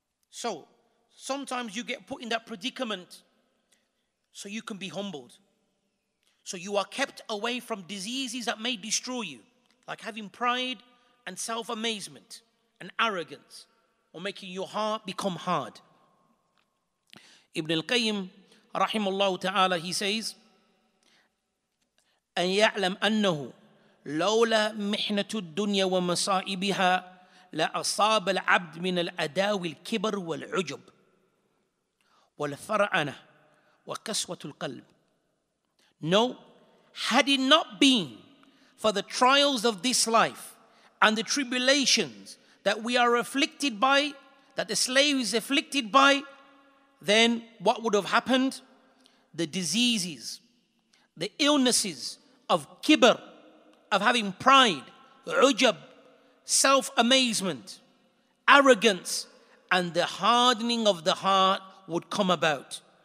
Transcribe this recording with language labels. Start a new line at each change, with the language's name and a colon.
English: So, sometimes you get put in that predicament so you can be humbled. So you are kept away from diseases that may destroy you, like having pride and self-amazement and arrogance, or making your heart become hard. Ibn al-Qayyim rahimahullah ta'ala, he says,
Arabic: أَنْ يَعْلَمْ أَنَّهُ لَوْلَا مِحْنَةُ الدُّنْيَا وَمَصَائِبِهَا لأصاب العبد من الأداوي الكبر والعجب والفرعنة وقسوة القلب.
English: No, had it not been for the trials of this life and the tribulations that we are afflicted by, that the slave is afflicted by, then what would have happened? The diseases, the illnesses of kibr, of having pride, ujab, self-amazement, arrogance, and the hardening of the heart would come about.